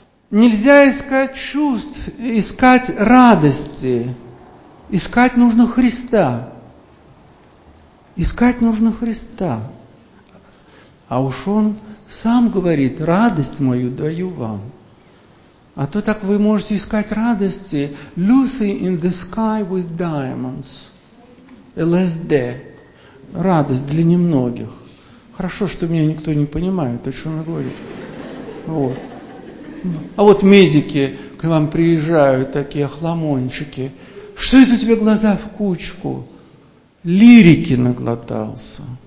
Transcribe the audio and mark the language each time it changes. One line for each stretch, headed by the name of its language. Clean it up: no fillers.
Russian: Нельзя искать чувств, искать радости. Искать нужно Христа. Искать нужно Христа. А уж Он сам говорит: «Радость мою даю вам». А то так вы можете искать радости.
English: Lucy in the sky with diamonds. LSD.
Russian: Радость для немногих. Хорошо, что меня никто не понимает, о чем я говорю. Вот. А вот медики к вам приезжают, такие хламончики. Что это у тебя глаза в кучку? Лирики наглотался.